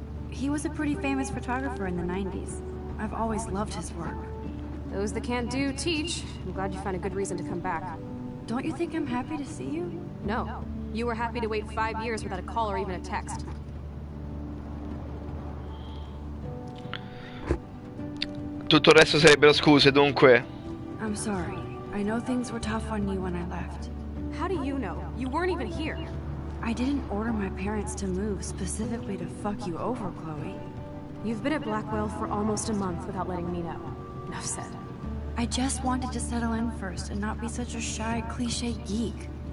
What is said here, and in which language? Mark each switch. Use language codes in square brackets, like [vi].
[en] He was a pretty famous photographer in the 90s. I've always loved his work. Those that can't do, teach. I'm glad you found a good reason to come back. Don't you think I'm happy to see you? No. You were happy to wait 5 years without a call or even a text. [it] Tutto il resto sarebbero scuse, dunque. [en] I'm sorry. I know things were tough on you when I left. How do you know? You weren't even here. I didn't order my parents to move specifically to fuck you over, Chloe. You've been at Blackwell for almost a month without letting me know. Enough said. I just wanted to settle in first and not be such a shy, cliche geek.